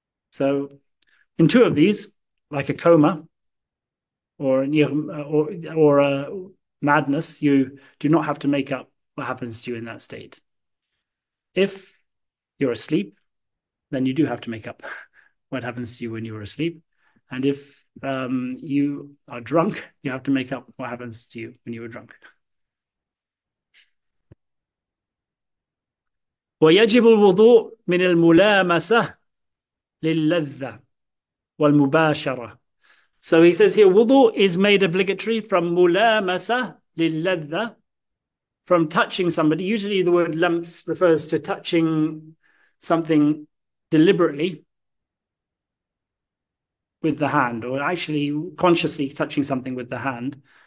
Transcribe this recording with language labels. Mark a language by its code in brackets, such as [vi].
[en] So, in two of these, like a coma, or a madness, you do not have to make up what happens to you in that state. If you're asleep, then you do have to make up what happens to you when you're asleep. And if you are drunk, you have to make up what happens to you when you were drunk. [ar] ويجب الوضوء من الملامسة للذة والمباشرة. [en] So he says here, wudu is made obligatory from mulamasa lilladha, from touching somebody. Usually the word lamps refers to touching something deliberately with the hand, or actually consciously touching something with the hand.